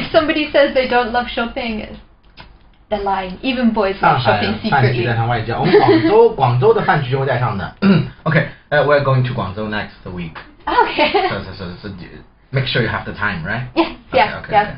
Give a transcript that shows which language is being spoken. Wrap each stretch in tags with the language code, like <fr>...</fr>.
<en>If somebody says they don't love shopping, they're lying. Even boys love shopping secretly.</en> <zh>我们广州的饭局就会带上的。</zh> <en>Okay, we're going to Guangzhou next week. Okay. So make sure you have the time, right?</en>